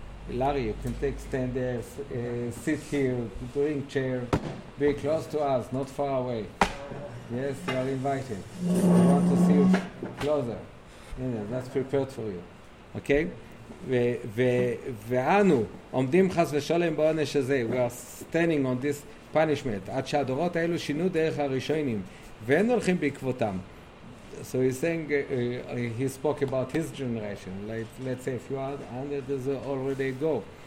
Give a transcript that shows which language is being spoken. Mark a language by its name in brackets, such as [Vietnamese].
[English] Larry, you can take stand there, sit here, bring chair, be close to us, not far away. Yes, you are invited. We want to see you closer. Yeah, that's prepared for you. Okay? [Hebrew] Ve'anu, omdim chas v'sholem ba'onesh hazeh. [English] We are standing on this punishment. [Hebrew] עד שהדורות האלו שינו דרך הראשונים, ואין הולכים בעקבותם. [English] So he's saying, he spoke about his generation. Like, let's say if you are under this already go.